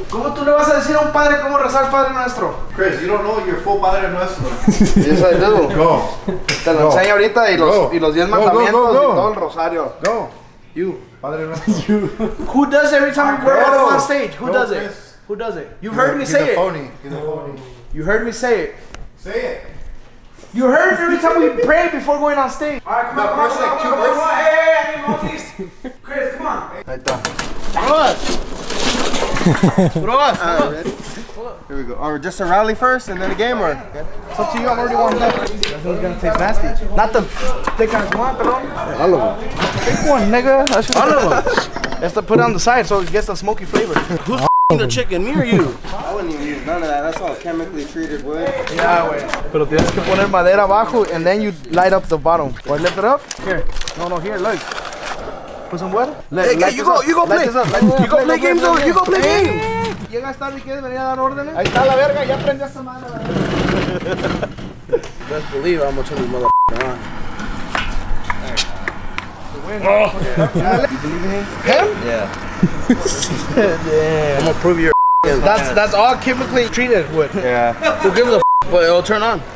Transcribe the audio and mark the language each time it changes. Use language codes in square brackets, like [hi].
[es] ¿Cómo tú le vas a decir a un padre cómo rezar Padre Nuestro? [en] Chris, you don't know your full Padre Nuestro. Yes, I do. Go. [es] Te lo enseño ahorita y los 10 mandamientos y todo el rosario. [en] Go. You. Padre Nuestro. You. Who does every time we're on stage? Who does it? Who does it? Who does it? You heard me say it. He's a phony. You heard me say it. Say it. You heard every time we pray before going on stage. All right, come on. Hey, I need more of these. Chris, come on. Right there. Throw us. Here we go. Or just a rally first and then a game, or? It's up to you. I'm already warmed up. That's what's going to taste nasty. Not the thick ass one, pero. All of them. Pick one, nigga. All of them. Just to put it on the side so it gets the smoky flavor. Who's the chicken, me or you? I wouldn't even use none of that. That's all chemically treated wood. Yeah, wey. [es] Pero tienes que poner madera abajo [en] and then you light up the bottom. Or lift it up? Here. No, here, look. Put some water. Hey, light you, go, up. You go play. You go play games, though. You go play games. [es] Llega a estar y quieres venir a dar órdenes. Ahí está la verga, ya prendí esta madre. [en] Best believe how much of this motherfucker on. Oh. Yeah. You believe in him? Yeah. Damn. I'm gonna prove your That's all chemically treated wood. Yeah. Who gives a but it'll turn on.